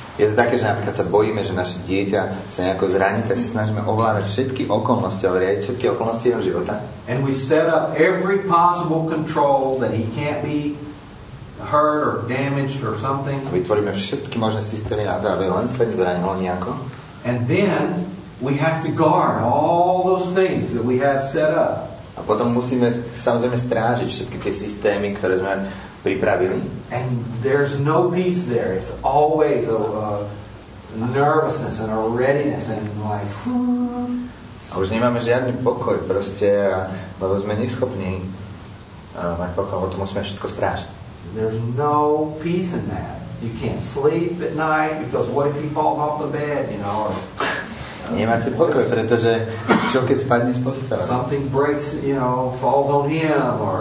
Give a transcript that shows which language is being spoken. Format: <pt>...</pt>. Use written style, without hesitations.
<sk>Je to také, že napríklad sa bojíme, že naše dieťa sa nejako zraní, tak sa snažíme ovládať všetky okolnosti, ale riadiť všetky okolnosti jeho života.</sk> <en>And we set up every possible control that he can't be hurt or damaged or something.</en> <sk>Vytvoríme všetky možnosti stely na to, aby len sa nezranilo nejako.</sk> <en>And then we have to guard all those things that we have set up.</en> <sk>A potom musíme samozrejme strážiť všetky tie systémy, ktoré sme pripravili.</sk> <en>And there's no peace there. It's always a nervousness and a readiness and like.</en> <sk>A už nemáme žiadny pokoj, proste, lebo sme neschopní mať pokoj, lebo to musíme všetko strážiť.</sk> <en>There's no peace in that. You can't sleep at night because what if he falls off the bed, you know?</en> <sk>Nemáte pokoj, pretože čo keď spadne z postele?</sk> <en>Something breaks, you know, falls on him or.</en>